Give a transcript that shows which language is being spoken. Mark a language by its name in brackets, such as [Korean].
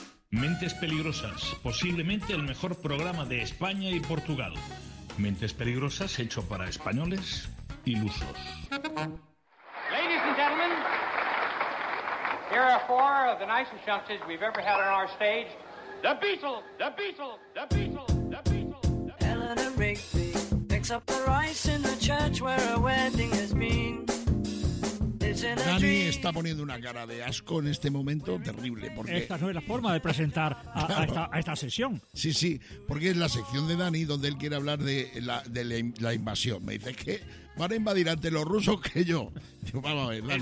[Spanish] Mentes Peligrosas, posiblemente el mejor programa de España y Portugal. Mentes Peligrosas, hecho para españoles ilusos. [English] Ladies and gentlemen, here are four of the nicest youngsters we've ever had on our stage. The Beatles, the Beatles, the Beatles, the Beatles. The Beatles. Eleanor Rigby picks up the rice in the church where a wedding has been. [Spanish] Dani está poniendo una cara de asco en este momento terrible. Porque... Esta no es la forma de presentar a esta sesión. Sí, sí, porque es la sección de Dani donde él quiere hablar de la invasión. Me dice que van a invadir ante los rusos que yo. Yo vamos a ver, Dani.